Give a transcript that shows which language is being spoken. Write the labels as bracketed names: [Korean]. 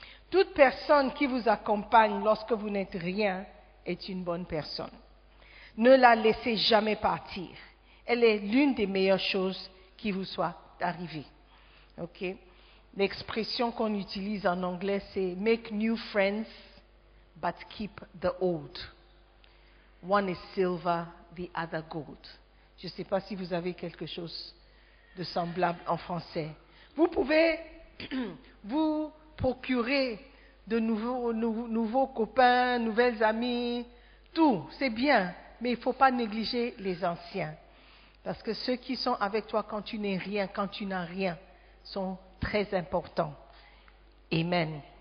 [French] Toute personne qui vous accompagne lorsque vous n'êtes rien est une bonne personne. Ne la laissez jamais partir. Elle est l'une des meilleures choses qui vous soit arrivée. Ok? L'expression qu'on utilise en anglais, c'est « [English] make new friends, but keep the old ». One is silver, the other gold. [French] Je ne sais pas si vous avez quelque chose de semblable en français. Vous pouvez vous procurer de nouveaux copains, nouvelles amies, tout, c'est bien. Mais il ne faut pas négliger les anciens. Parce que ceux qui sont avec toi quand tu n'es rien, quand tu n'as rien, sont très importants. Amen.